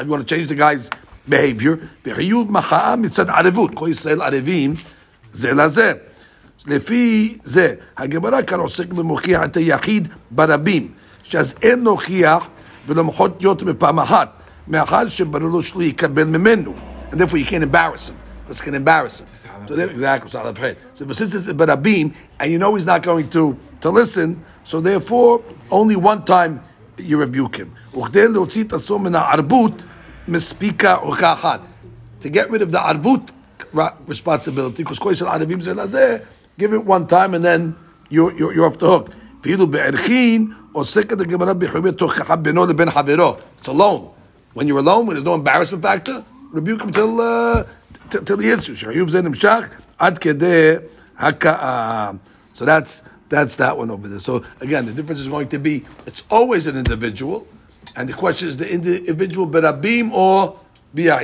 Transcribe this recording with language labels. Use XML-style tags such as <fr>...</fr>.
<en>You want to change the guy's behavior.</en> <he>וחיוב מחאה מצד ערבות. כל ישראל ערבים זה לזה. לפי זה, הגמרא כאן עוסק במוכיח את היחיד ברבים. שאז אין להוכיח ולמחות להיות בפעם אחת. מאחר שברור לו שלו יקבל ממנו.</he> <en>And therefore you can't embarrass him. It's going to embarrass him. So then, exactly. So since it's a barabim, and you know he's not going to listen, so therefore, only one time you rebuke him.</en> <he>וכדי להוציא את עצמו מן הערבות, מספיקה הוכחה אחת.</he> <en>To get rid of the ערבות responsibility, because</en> <he>כל ישראל ערבים זה לזה,</he> <en>give it one time and then you're off the hook.</en> <he>ואילו בערכין, עוסקת הגמרא בחיובי תוכחה בינו לבין חברו.</he> <en>It's alone. When you're alone, when there's no embarrassment factor, rebuke him till... Till the answer,</en> <he>shayuv zenim shach ad kedeh haka.</he> <en>So that's that one over there. So again, the difference is going to be it's always an individual, and the question is the individual berabim or biyachid.</en>